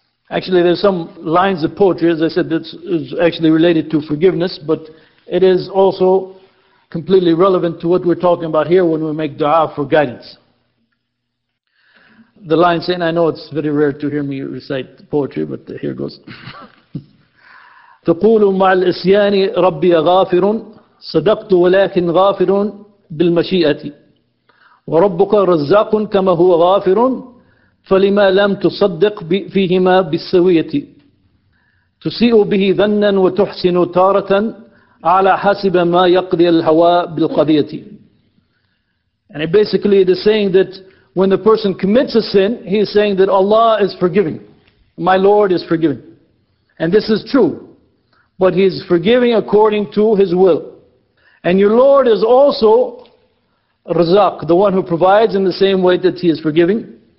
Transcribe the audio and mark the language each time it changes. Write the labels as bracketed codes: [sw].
[en] Actually, there's some lines of poetry, as I said, that is actually related to forgiveness, but it is also completely relevant to what we're talking about here when we make dua for guidance. The line saying, I know it's very rare to hear me recite poetry, but here goes. [ar] تقول مع الإسيان ربي غافر صدقت ولكن غافر بالمشيئة وربك رزاق كما هو غافر فلما لم تصدق فيهما بالسوية تسيء به ظنا وتحسن تارة على حسب ما يقضي الهوى بالقضية. [en] And basically it is saying that when the person commits a sin, he is saying that Allah is forgiving. My Lord is forgiving. And this is true. But he is forgiving according to his will. And your Lord is also Razak, the one who provides in the same way that he is forgiving.